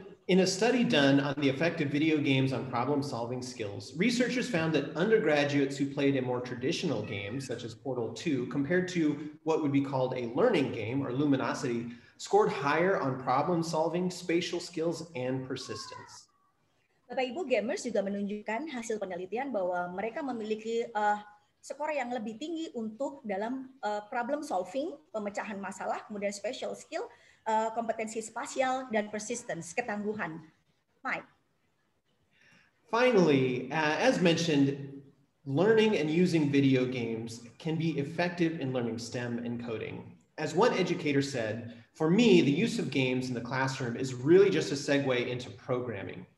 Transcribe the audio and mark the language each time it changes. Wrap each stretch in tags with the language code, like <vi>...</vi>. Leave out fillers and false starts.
<en>In a study done on the effect of video games on problem-solving skills, researchers found that undergraduates who played a more traditional game, such as Portal 2, compared to what would be called a learning game, or Luminosity, scored higher on problem-solving, spatial skills, and persistence.</en> <id>Bapak-Ibu, gamers juga menunjukkan hasil penelitian bahwa mereka memiliki skor yang lebih tinggi untuk dalam problem-solving, pemecahan masalah, kemudian spatial skill, kompetensi spasial dan persistence, ketangguhan. Mike.</id> <en>Finally, as mentioned, learning and using video games can be effective in learning STEM and coding. As one educator said, for me, the use of games in the classroom is really just a segue into programming.</en>